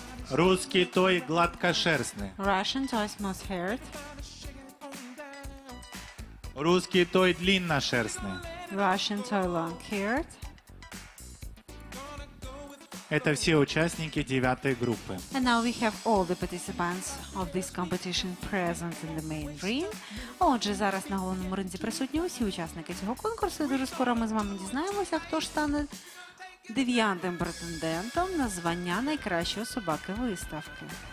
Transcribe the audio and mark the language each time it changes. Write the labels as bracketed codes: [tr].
[ru] Русский той гладкошерстный. [en] Russian той smooth haired. [ru] Русский той длинношерстный. [en] Russian той long haired. [ru] Это все участники девятой группы. [en] And now we have all the participants of this competition present in the main ring. [uk] Отже, зараз на головному ринзі присутні усі учасники цього конкурсу. І дуже скоро ми з вами дізнаємося, хто ж стане дев'ятим претендентом на звання найкращої собаки виставки.